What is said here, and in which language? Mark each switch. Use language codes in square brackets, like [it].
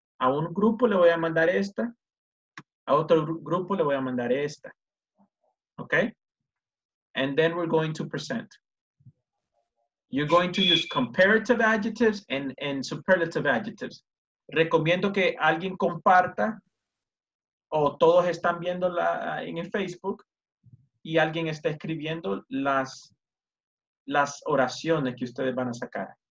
[es] A un grupo le voy a mandar esta, a otro grupo le voy a mandar esta, okay? [en] And then we're going to present. You're going to use comparative adjectives and superlative adjectives. [es] Recomiendo que alguien comparta, o todos están viendo la, en el Facebook, y alguien está escribiendo las oraciones que ustedes van a sacar.